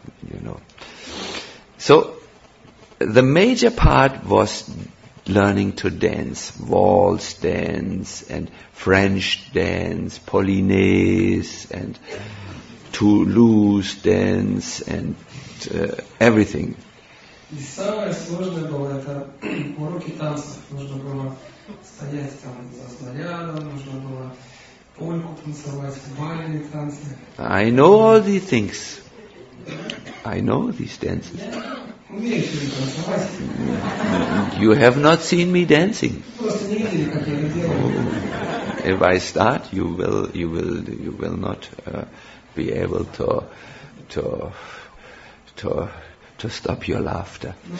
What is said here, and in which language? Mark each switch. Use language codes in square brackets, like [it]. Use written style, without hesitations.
[en] You know. So, the major part was learning to dance. Waltz dance, and French dance, Polonaise, and Toulouse dance, and everything. [ru] И самое сложное было, это уроки танцев. Нужно было стоять там за снарядом, нужно было польку танцевать, бальные танцы. [en] I know all these things. I know these dances. [ru] Умеешь ли танцевать? [en] You have not seen me dancing. [ru] Просто не видели, как я это делаю. [en] If I start, you will not be able to stop your laughter.